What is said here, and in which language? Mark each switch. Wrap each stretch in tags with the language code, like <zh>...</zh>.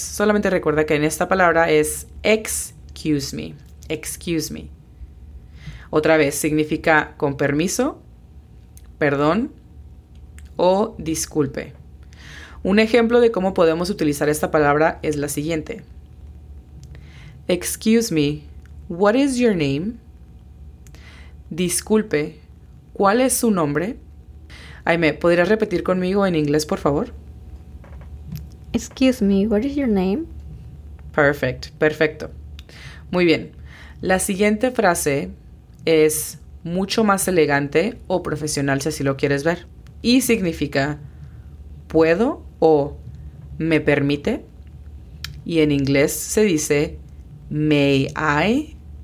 <es>Solamente recuerda que en esta palabra es</es> <en>excuse me. Excuse me.</en> <es>Otra vez, significa con permiso, perdón o disculpe. Un ejemplo de cómo podemos utilizar esta palabra es la siguiente.</es> <en>Excuse me, what is your name?</en> <es>Disculpe, ¿cuál es su nombre? Aimee, ¿podrías repetir conmigo en inglés, por favor?</es> <en>Excuse me, what is your name?</en> <es>Perfecto, perfecto. Muy bien. La siguiente frase es mucho más elegante o profesional, si así lo quieres ver. Y significa ¿puedo o me permite? Y en inglés se dice</es> <en>¿may I?</en>